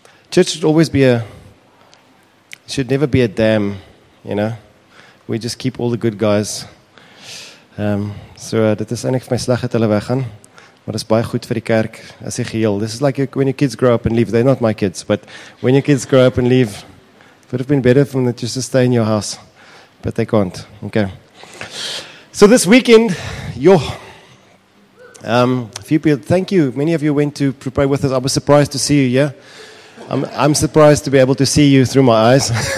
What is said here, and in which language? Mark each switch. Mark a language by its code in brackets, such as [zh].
[en] Church should always be a, should never be a dam, you know. We just keep all the good guys. [af] Dit is eintlik vir my sleg dat hulle weggaan, maar dit is baie goed vir die kerk as hy geheel. [en] This is like your, when your kids grow up and leave. They're not my kids, but when your kids grow up and leave, it would have been better for them just to stay in your house, but they can't. Okay. So this weekend, a few people, thank you. Many of you went to prepare with us. I was surprised to see you, yeah? I'm surprised to be able to see you through my eyes.